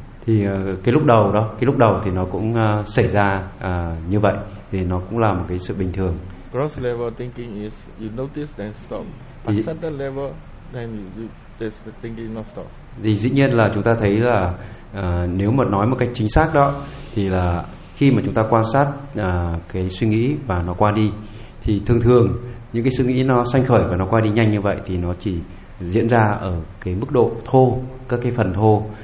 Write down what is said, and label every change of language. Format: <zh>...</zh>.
<vi>Thì cái lúc đầu thì nó cũng xảy ra như vậy, thì nó cũng là một cái sự bình thường.</vi> <en>Cross level thinking is you notice then stop. At certain level then there's the thinking not stop.</en> <vi>Thì dĩ nhiên là chúng ta thấy là nếu mà nói một cách chính xác đó, thì là khi mà chúng ta quan sát cái suy nghĩ và nó qua đi, thì thường thường những cái suy nghĩ nó sanh khởi và nó qua đi nhanh như vậy thì nó chỉ diễn ra ở cái mức độ thô, các cái phần thô.</vi>